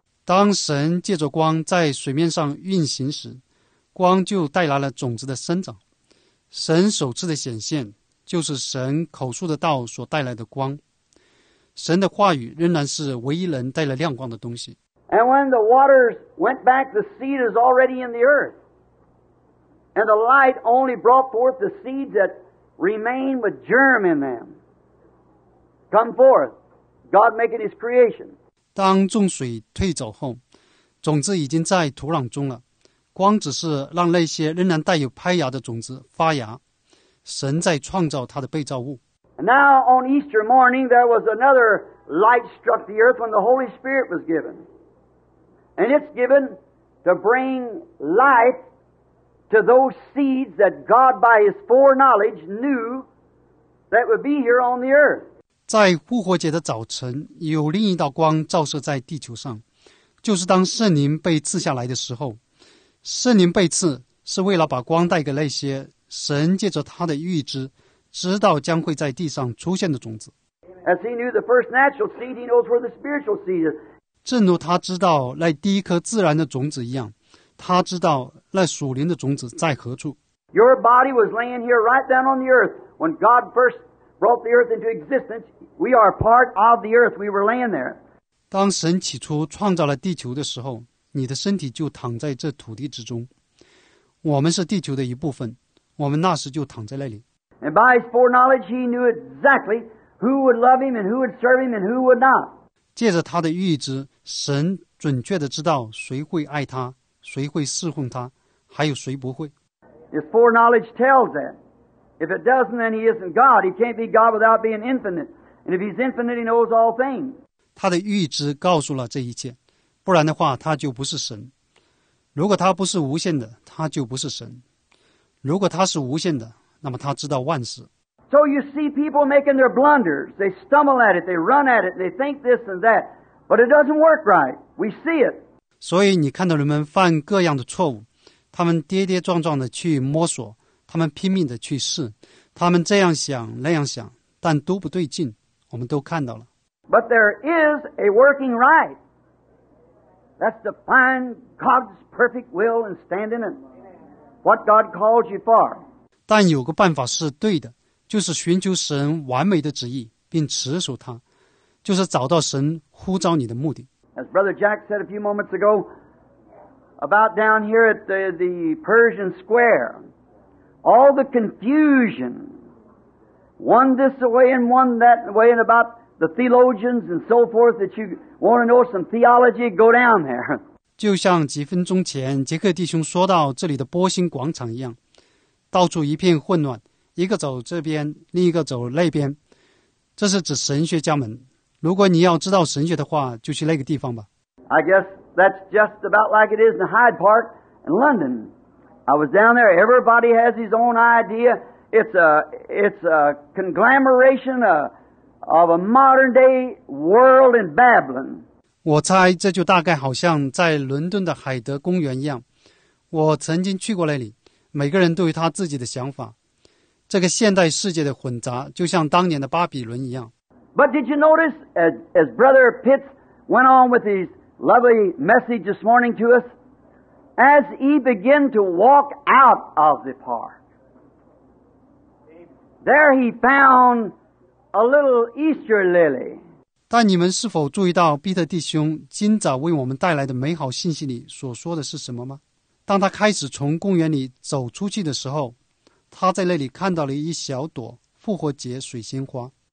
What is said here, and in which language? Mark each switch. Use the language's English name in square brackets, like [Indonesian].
[Chinese] 当神借着光在水面上运行时，光就带来了种子的生长。神首次的显现就是神口述的道所带来的光。神的话语仍然是唯一能带来亮光的东西。 [English] And when the waters went back, the seed is already in the earth. And the light only brought forth the seeds that remain with germ in them. Come forth. God making his creation. [Chinese] 当众水退走后，种子已经在土壤中了。光只是让那些仍然带有胚芽的种子发芽。神在创造他的被造物。 [English] And now on Easter morning, there was another light struck the earth when the Holy Spirit was given. And it's given to bring life to those seeds that God by his foreknowledge knew that would be here on the earth. [Chinese] 在复活节的早晨，有另一道光照射在地球上，就是当圣灵被赐下来的时候。圣灵被赐是为了把光带给那些神借着他的预知知道将会在地上出现的种子。 [English] As he knew the first natural seed, he knows where the spiritual seed is. [Chinese] 正如他知道那第一颗自然的种子一样，他知道那属灵的种子在何处。 [English] Your body was laying here right down on the earth when God first brought the earth into existence. We are part of the earth. We were laying there. [Chinese] 当神起初创造了地球的时候，你的身体就躺在这土地之中。我们是地球的一部分，我们那时就躺在那里。 [English] And by his foreknowledge, he knew exactly who would love him and who would serve him and who would not. [Chinese] 借着他的预知，神准确地知道谁会爱他，谁会侍奉他，还有谁不会。 [English] His foreknowledge tells that. If it doesn't, then he isn't God. He can't be God without being infinite. And if he's infinite, he knows all things. [Chinese] 他的预知告诉了这一切，不然的话，他就不是神。如果他不是无限的，他就不是神。如果他是无限的，那么他知道万事。 [English] So you see people making their blunders. They stumble at it. They run at it. They think this and that. But it doesn't work right. We see it. [Chinese] 所以你看到人们犯各样的错误，他们跌跌撞撞的去摸索，他们拼命的去试，他们这样想那样想，但都不对劲。我们都看到了。 [English] But there is a working right. That's to find God's perfect will and stand in it. What God calls you for. [Chinese] 但有个办法是对的。就是寻求神完美的旨意并持守它，就是找到神呼召你的目的。 [English] As Brother Jack said a few moments ago about down here at the Persian Square, all the confusion, one this way and one that way, and about the theologians and so forth, that you want to know some theology, go down there. [Chinese] 就像几分钟前杰克弟兄说到这里的波星广场一样，到处一片混乱，一个走这边，另一个走那边，这是指神学家们。如果你要知道神学的话，就去那个地方吧。 [English] I guess that's just about like it is in Hyde Park in London. I was down there. Everybody has his own idea. It's a conglomeration, a, of a modern-day world in Babylon. [Chinese] 我猜这就大概好像在伦敦的海德公园一样。我曾经去过那里，每个人都有他自己的想法。这个现代世界的混杂，就像当年的巴比伦一样。 [English] But did you notice as Brother Pitts went on with his lovely message this morning to us, as he began to walk out of the park, there he found a little Easter lily. [Chinese] 但你们是否注意到彼得弟兄今早为我们带来的美好信息里所说的是什么吗？当他开始从公园里走出去的时候，他在那里看到了一小朵复活节水仙花。